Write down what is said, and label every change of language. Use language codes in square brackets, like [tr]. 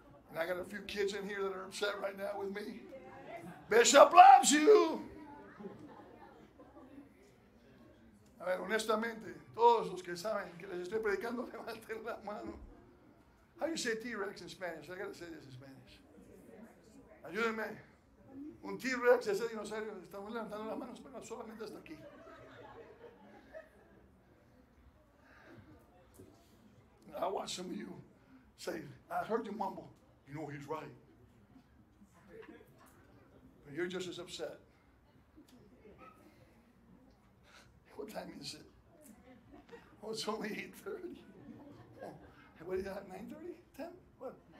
[en] And I got a few kids in here that are upset right now with me. Bishop loves you. [es] A ver, honestamente, todos los que saben que les estoy predicando, levanten la mano. [en] How do you say T-Rex in Spanish? I gotta say this in Spanish. [es] Ayúdenme. Un T-Rex, ese dinosaurio, estamos levantando las manos, pero solamente hasta aquí. [en] I watch some of you say, I heard you mumble. You know he's right. But you're just as upset. What time is it? Oh, it's only 8:30. Oh, what is that, 9:30? 10? What?